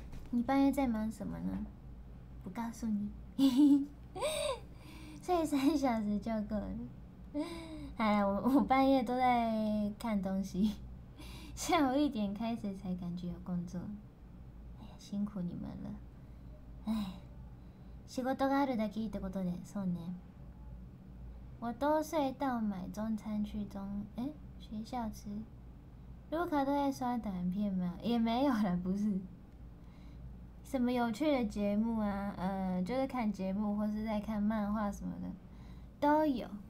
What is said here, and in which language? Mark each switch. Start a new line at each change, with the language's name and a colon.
Chinese: 你半夜在忙什么呢？不告诉你。睡3小时就够了。好啦，我半夜都在看东西，下午一点开始才感觉有工作。哎呀，辛苦你们了。哎，
Japanese: 仕事があるだけいいってことで、そうね。
Chinese: 我都睡到买中餐去中哎、欸、学校吃。卢卡都在刷短片吗？也没有啦，不是。什么有趣的节目啊？就是看节目或是在看漫画什么的，都有。